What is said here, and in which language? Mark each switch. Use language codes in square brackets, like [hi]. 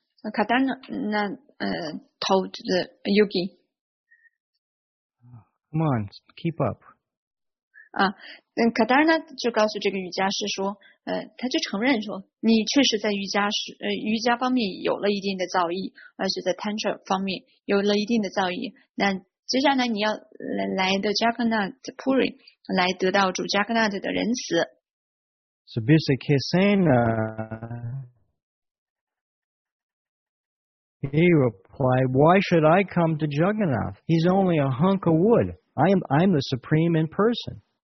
[en] Kedarnath told the yogi. Come on, keep up. [zh] Kedarnath 就告诉这个瑜伽师说，他就承认说，你确实在瑜伽方面有了一定的造诣，而且在 Tantra 方面有了一定的造诣。那接下来你要来的 Jagannath Puri 来得到主 Jagannath 的仁慈。 [en] So Bisik Kisena, he replied, "Why should I come to Jagannath? He's only a hunk of wood. I'm the supreme in person."